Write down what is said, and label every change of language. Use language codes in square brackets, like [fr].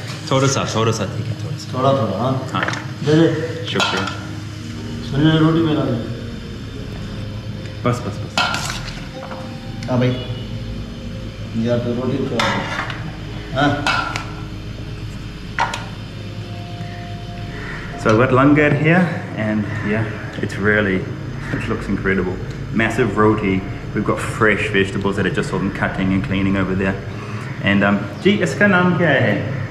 [hi] थोड़ा सा ठीक है थोड़ा हाँ शुक्रिया सुनिए रोटी मेरा दे बस बस बस हाँ भाई यार तो रोटी उठा हाँ [en] So I've got langar here, and yeah, it's really, it looks incredible. Massive roti. We've got fresh vegetables that I just saw them cutting and cleaning over there. [hi] And जी इसका नाम क्या है?